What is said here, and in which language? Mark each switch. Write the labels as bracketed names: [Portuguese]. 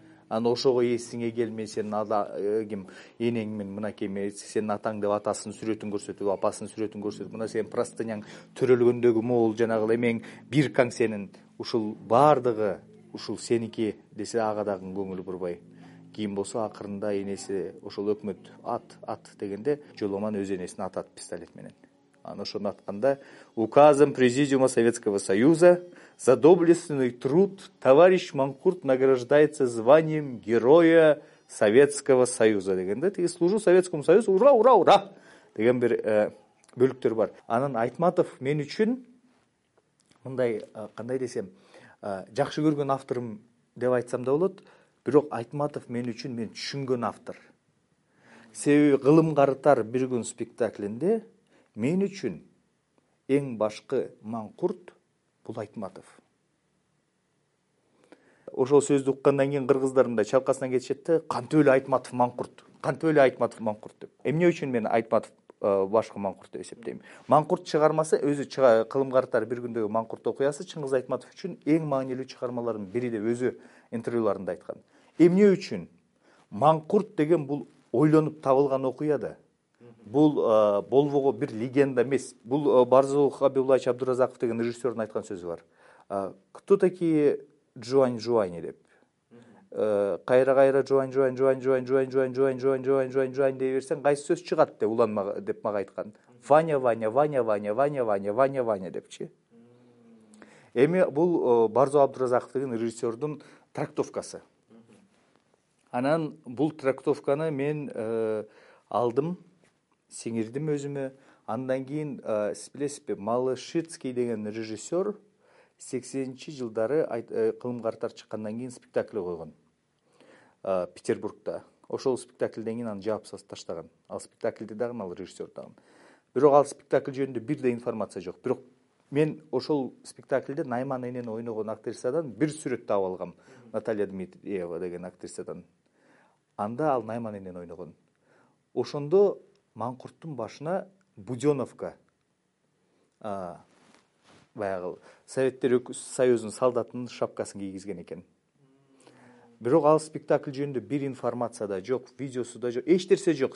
[Kyrgyz] Анан ошого эсиңе келмей, сенин ким энең мен мынакей эмес, сенин атаң деп атасынын сүрөтүн көрсөтүп, апасынын сүрөтүн көрсөтүп, мына сенин простыняң төрөлгөндөгү моол жанагы эле эмең, бир каң сенин, ушул баардыгы ушул сеники, десе ага дагы көңүл бурбай. Кийин болсо акырында энеси ошол өкмөт ат ат дегенде Жоломан өз энесин атат пистолет менен. Анан ошону атканда [Russian] указом президиума Советского Союза за доблестный труд товарищ Манкурт награждается званием Героя Советского Союза [Kyrgyz] дегенде, тиги [Russian] служу Советскому Союзу, ура, ура, ура [Kyrgyz] деген бир бөлүктөр бар. Анан Айтматов мен үчүн мындай кандай десем жакшы көргөн авторум деп айтсам да болот, бирок Айтматов мен үчүн мен түшүнгөн автор. Себеби кылым картар бир күн спектаклинде мен үчүн эң башкы Манкурт бул Айтматов. Ошол сөздү уккандан кийин кыргыздарым да чалкасынан кетишет да: кантип эле Айтматов Манкурт, кантип эле Айтматов Манкурт деп. Эмне үчүн мен Айтматов башкы Манкурт деп эсептейм? Манкурт чыгармасы, өзү кылым картар бир күндөгү Манкурт окуясы Чыңгыз Айтматов үчүн эң маанилүү чыгармалардын бири, деп өзү интервьюларында айткан. Эмне үчүн Манкурт деген бул ойлонуп табылган окуя да? Бул болбого бир легенда эмес. Бул Барзыбек Хабибуллаевич Абдыразаков деген режиссердун айткан сөзү бар: [Russian] кто такие Джуань Джуани [Kyrgyz] деп. Кайра кайра Джуань Джуань Джуань Джуань Джуань Джуань Джуань Джуань Джуань Джуань Джуань дей берсең кайсы сөз чыгат деп улан деп мага айткан. Ваня Ваня Ваня Ваня Ваня Ваня Ваня Ваня депчи. Эми бул Барзыбек Абдыразаков деген режиссердун трактовкасы. Анан бул трактовканы мен алдым, сиңирдим өзүмө. Андан кийин сиз билесизби, Малышицкий деген режиссер 80-чи жылдары кылым картар чыккандан кийин спектакль койгон Петербургда. Ошол спектаклден кийин аны жаап таштаган. Ал спектаклди дагы ал режиссер дагы. Бирок ал спектакль жөнүндө бир да информация жок. Бирок мен ошол спектаклде Найман энени ойногон актрисадан бир сүрөт таап алгам. Наталья Дмитриева деген актрисадан. Анда ал Найман энени ойногон. Ошондо Манкурттун башына буденовка баягы Советтер Союзунун солдатынын шапкасын кийгизген экен. Бирок ал спектакль жөнүндө бир информация да жок, видеосу да жок, эч нерсе жок.